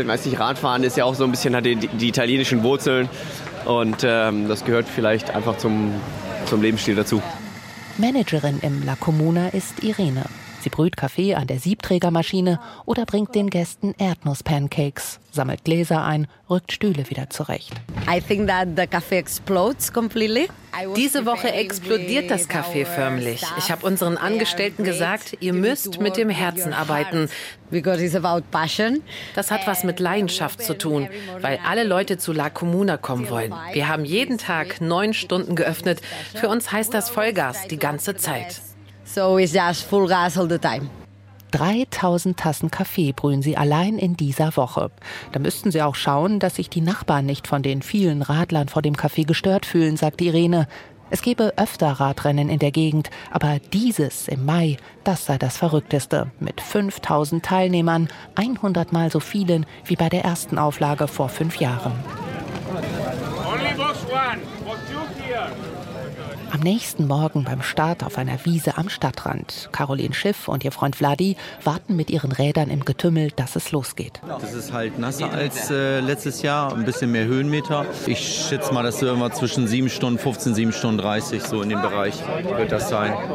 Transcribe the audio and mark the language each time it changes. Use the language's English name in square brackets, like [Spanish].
[German] Ich weiß nicht, Radfahren ist ja auch so ein bisschen, hat die italienischen Wurzeln. Und das gehört vielleicht einfach zum Lebensstil dazu. Managerin im La Comuna ist Irene. Sie brüht Kaffee an der Siebträgermaschine oder bringt den Gästen Erdnuss-Pancakes, sammelt Gläser ein, rückt Stühle wieder zurecht. [English] I think that the coffee explodes completely. [German] Diese Woche explodiert das Café förmlich. Ich habe unseren Angestellten gesagt, ihr müsst mit dem Herzen arbeiten. [English] Because it's about passion. [German] Das hat was mit Leidenschaft zu tun, weil alle Leute zu La Comuna kommen wollen. Wir haben jeden Tag 9 Stunden geöffnet. Für uns heißt das Vollgas die ganze Zeit. [English] So it's just full gas all the time. [German] 3000 Tassen Kaffee brühen sie allein in dieser Woche. Da müssten sie auch schauen, dass sich die Nachbarn nicht von den vielen Radlern vor dem Kaffee gestört fühlen, sagt Irene. Es gäbe öfter Radrennen in der Gegend, aber dieses im Mai, das sei das Verrückteste. Mit 5000 Teilnehmern, 100 mal so vielen wie bei der ersten Auflage vor 5 Jahren. [English] Only box one, box two here. [German] Am nächsten Morgen beim Start auf einer Wiese am Stadtrand. Caroline Schiff und ihr Freund Vladi warten mit ihren Rädern im Getümmel, dass es losgeht. Das ist halt nasser als letztes Jahr, ein bisschen mehr Höhenmeter. Ich schätze mal, dass so immer zwischen 7:15, 7:30 so in dem Bereich wird das sein.